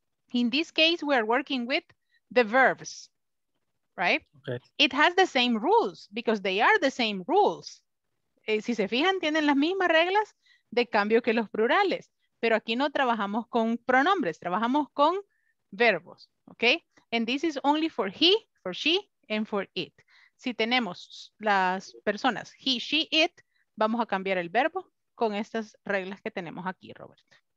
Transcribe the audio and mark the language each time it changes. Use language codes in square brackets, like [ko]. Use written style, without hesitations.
[en] In this case, we are working with the verbs, right? Okay. It has the same rules because they are the same rules. [es] Si se fijan, tienen las mismas reglas de cambio que los plurales. Pero aquí no trabajamos con pronombres, trabajamos con verbos, okay? [en] And this is only for he, for she, and for it. [es] Si tenemos las personas he, she, it, vamos a cambiar el verbo con estas reglas que tenemos aquí, Roberto.